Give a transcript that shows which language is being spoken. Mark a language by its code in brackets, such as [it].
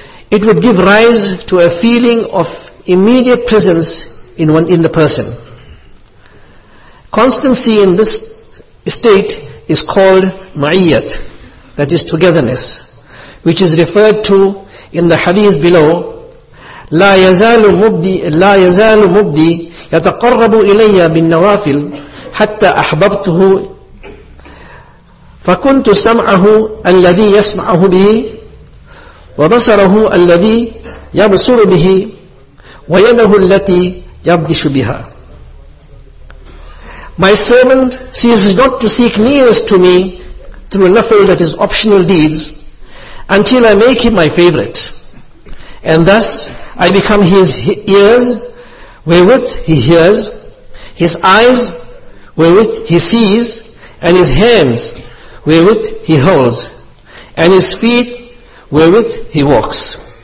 [en] It would give rise to a feeling of immediate presence in the person. Constancy in this state is called ma'iyat, that is togetherness, which is referred to in the hadith below, [ar] لا يزال مبدي يتقرب إلي بالنوافل حتى أحببته فكنت سمعه الذي يسمعه به وبصره الذي يبصر به ويده التي يبطش بها. [en] My servant ceases not to seek nearest to me through a nafil, that is optional deeds, until I make him my favorite. And thus I become his ears wherewith he hears, his eyes wherewith he sees, and his hands wherewith he holds, and his feet wherewith he walks.